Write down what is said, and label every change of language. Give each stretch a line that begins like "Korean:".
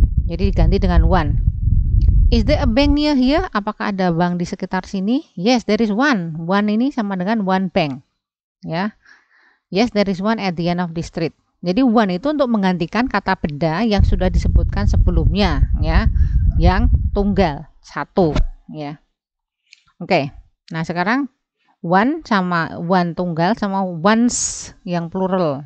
Indonesian: Jadi diganti dengan one.
English: Is there a bank near here?
Indonesian: Apakah ada bank di sekitar sini?
English: Yes, there is one.
Indonesian: One ini sama dengan one bank. Ya.
English: Yes, there is one at the end of the street.
Indonesian: Jadi one itu untuk menggantikan kata benda yang sudah disebutkan sebelumnya, ya. Yang tunggal, satu, ya. Oke. Okay. Nah, sekarang one sama one tunggal sama ones yang plural.